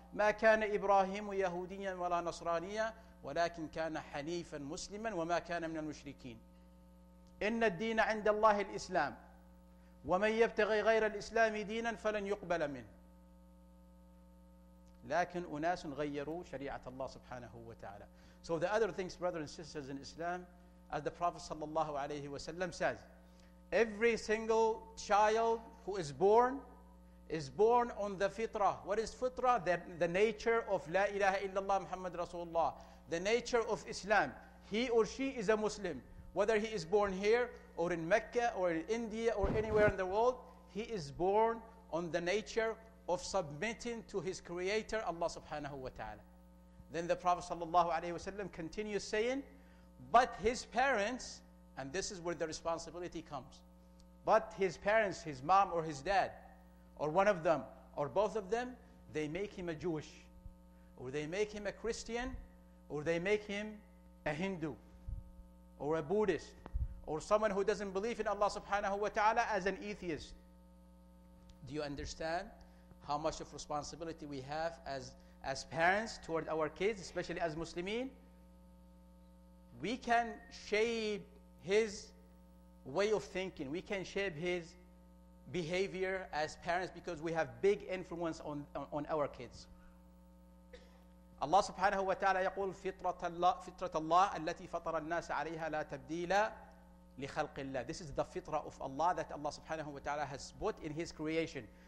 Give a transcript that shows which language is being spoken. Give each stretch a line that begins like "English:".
Arabic: ما كان إبراهيم يهوديا ولا نصرانيا، ولكن كان حنيفا مسلما وما كان من المشركين. إن الدين عند الله الإسلام، ومن يبتغي غير الإسلام دينا فلن يقبل منه. لكن أناس غيروا شريعة الله سبحانه وتعالى.
English: So the other things, brothers and sisters in Islam, as the Prophet
Arabic: صلى الله عليه وسلم
English: says, every single child who is born on the fitrah. What is fitrah? The nature of
Arabic: لا إله إلا الله محمد رسول الله.
English: The nature of Islam. He or she is a Muslim. Whether he is born here or in Mecca or in India or anywhere in the world, he is born on the nature of submitting to his creator, Allah subhanahu wa ta'ala. Then the Prophet sallallahu alayhi wa sallam continues saying, but his parents, and this is where the responsibility comes, but his parents, his mom or his dad, or one of them, or both of them, they make him a Jewish, or they make him a Christian, or they make him a Hindu, or a Buddhist, or someone who doesn't believe in Allah subhanahu wa ta'ala as an atheist. Do you understand how much of responsibility we have as parents toward our kids, especially as Muslimin? We can shape his way of thinking. We can shape his behavior as parents because we have big influence on our kids.
Arabic: Allah subhanahu wa ta'ala يقول فطرة الله التي فطر الناس عليها لا تبديل لخلق الله.
English: This is the fitrah of Allah that Allah subhanahu wa ta'ala has put in his creation.